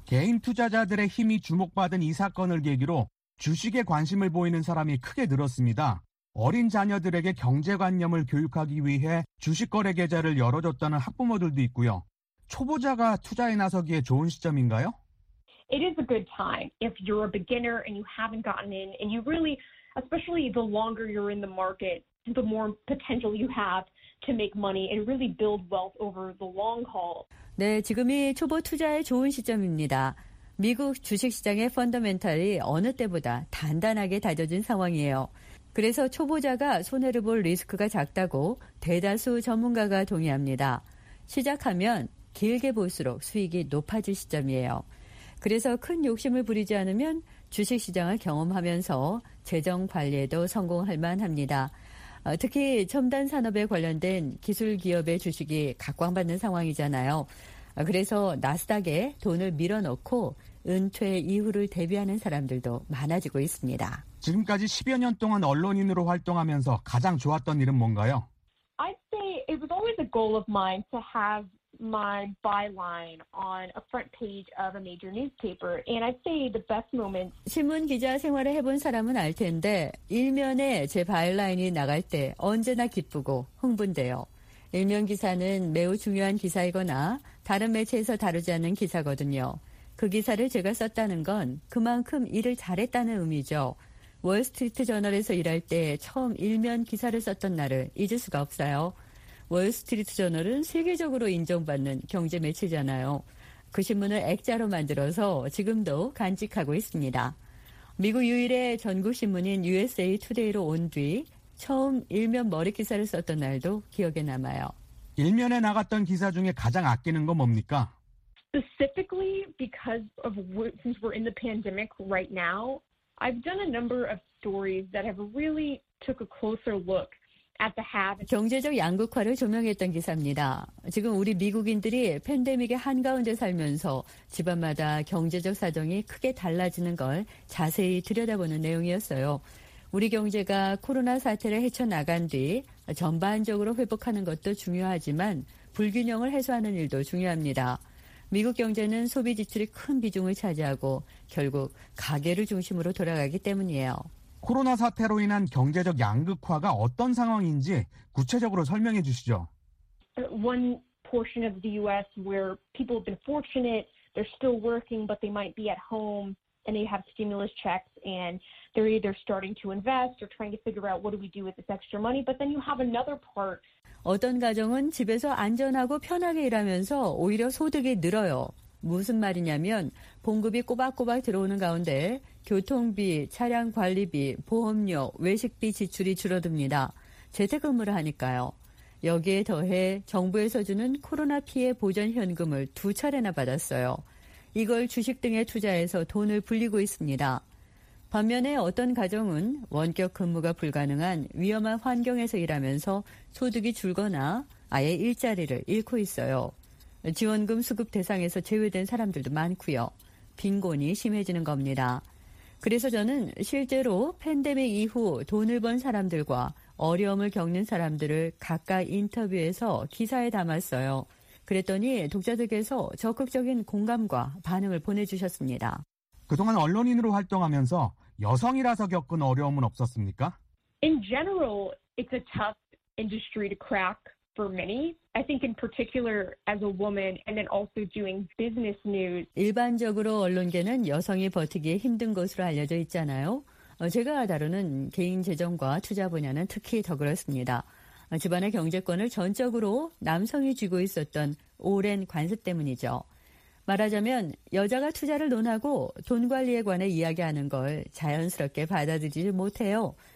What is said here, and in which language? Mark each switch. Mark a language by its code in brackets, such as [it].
[ko] 개인 투자자들의 힘이 주목받은 이 사건을 계기로 주식에 관심을 보이는 사람이 크게 늘었습니다. 어린 자녀들에게 경제관념을 교육하기 위해 주식거래 계좌를 열어줬다는 학부모들도 있고요. 초보자가 투자에 나서기에 좋은 시점인가요? [en] It is a good time if you're a beginner and you haven't gotten in and you really, especially the longer you're in the market, the more potential you have to make money and really build wealth over the long haul. [ko] 네, 지금이 초보 투자에 좋은 시점입니다. 미국 주식시장의 펀더멘탈이 어느 때보다 단단하게 다져진 상황이에요. 그래서 초보자가 손해를 볼 리스크가 작다고 대다수 전문가가 동의합니다. 시작하면 길게 볼수록 수익이 높아질 시점이에요. 그래서 큰 욕심을 부리지 않으면 주식시장을 경험하면서 재정관리에도 성공할 만합니다. 특히 첨단 산업에 관련된 기술 기업의 주식이 각광받는 상황이잖아요. 그래서 나스닥에 돈을 밀어넣고 은퇴 이후를 대비하는 사람들도 많아지고 있습니다. 지금까지 10여 년 동안 언론인으로 활동하면서 가장 좋았던 일은 뭔가요? [en] I'd say it was always a goal of mine to have my byline on a front page of a major newspaper. And I'd say the best moment. [ko] 신문 기자 생활을 해본 사람은 알 텐데 일면에 제 바이라인이 나갈 때 언제나 기쁘고 흥분돼요. 일면 기사는 매우 중요한 기사이거나 다른 매체에서 다루지 않는 기사거든요. 그 기사를 제가 썼다는 건 그만큼 일을 잘했다는 의미죠. 월스트리트 저널에서 일할 때 처음 일면 기사를 썼던 날을 잊을 수가 없어요. 월스트리트 저널은 세계적으로 인정받는 경제 매체잖아요. 그 신문을 액자로 만들어서 지금도 간직하고 있습니다. 미국 유일의 전국 신문인 USA Today로 온 뒤 처음 일면 머리 기사를 썼던 날도 기억에 남아요. 일면에 나갔던 기사 중에 가장 아끼는 거 뭡니까? [en] Specifically because of since we're in the pandemic right now, I've done a number of stories that have really took a closer look at the have. [ko] 경제적 양극화를 조명했던 기사입니다. 지금 우리 미국인들이 팬데믹의 한가운데 살면서 집안마다 경제적 사정이 크게 달라지는 걸 자세히 들여다보는 내용이었어요. 우리 경제가 코로나 사태를 헤쳐나간 뒤 전반적으로 회복하는 것도 중요하지만 불균형을 해소하는 일도 중요합니다. 미국 경제는 소비 지출이 큰 비중을 차지하고 결국 가계를 중심으로 돌아가기 때문이에요. 코로나 사태로 인한 경제적 양극화가 어떤 상황인지 구체적으로 설명해 주시죠. [en] One portion of the U.S. where people have been fortunate, they're still working, but they might be at home. And they have stimulus checks, and they're either starting to invest or trying to figure out what do we do with this extra money. But then you have another part. [ko] 어떤 가정은 집에서 안전하고 편하게 일하면서 오히려 소득이 늘어요. 무슨 말이냐면 봉급이 꼬박꼬박 들어오는 가운데 교통비, 차량 관리비, 보험료, 외식비 지출이 줄어듭니다. 재택근무를 하니까요. 여기에 더해 정부에서 주는 코로나 피해 보전 현금을 두 차례나 받았어요. 이걸 주식 등에 투자해서 돈을 불리고 있습니다. 반면에 어떤 가정은 원격 근무가 불가능한 위험한 환경에서 일하면서 소득이 줄거나 아예 일자리를 잃고 있어요. 지원금 수급 대상에서 제외된 사람들도 많고요. 빈곤이 심해지는 겁니다. 그래서 저는 실제로 팬데믹 이후 돈을 번 사람들과 어려움을 겪는 사람들을 각각 인터뷰해서 기사에 담았어요. 그랬더니 독자들께서 적극적인 공감과 반응을 보내주셨습니다. 그동안 언론인으로 활동하면서 여성이라서 겪은 어려움은 없었습니까? [en] In general, it's a tough industry to crack for many. I think in particular as a woman and then also doing business news. [ko] 일반적으로 언론계는 여성이 버티기에 힘든 것으로 알려져 있잖아요. 제가 다루는 개인 재정과 투자 분야는 특히 더 그렇습니다. 집안의 경제권을 전적으로 남성이 쥐고 있었던 오랜 관습 때문이죠. 말하자면 여자가 투자를 논하고 돈 관리에 관해 이야기하는 걸 자연스럽게 받아들이지 못해요.